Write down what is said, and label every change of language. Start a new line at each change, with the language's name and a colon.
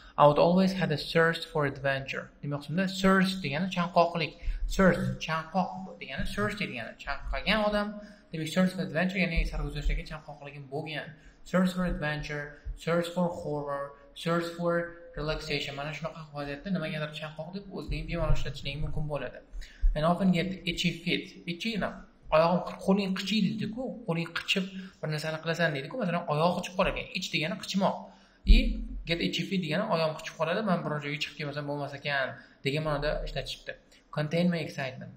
English: I would always had a thirst for adventure.
Uzbek: Demak, shunda thirst degani chanqoqlik. Thirst chanqoq degani, thirst degani chanqagan odam. Demak, thirst for adventure ya'ni sarguzashtlarga chanqoqligim bo'lgan.
English: Thirst for adventure, thirst for horror, thirst for relaxation.
Uzbek: Mana shunaqa vaziyatda nimagadir chanqoq deb o'zingizni bemalol ishlatishingiz mumkin bo'ladi.
English: And often get itchy feet.
Uzbek: Itchy na. Oyog'im qo'ling qichiydi deydi-ku, qo'ling qichib bir narsani qilasan deydi-ku, masalan, oyoq qichib qolar ekan. Itch degani qichmoq.
English: I get itchy feet
Uzbek: degani oyog'im qichib qoladi, men biror joyga chiqib kelmasam bo'lmas ekan degan ma'noda ishlatishibdi.
English: Contain my excitement.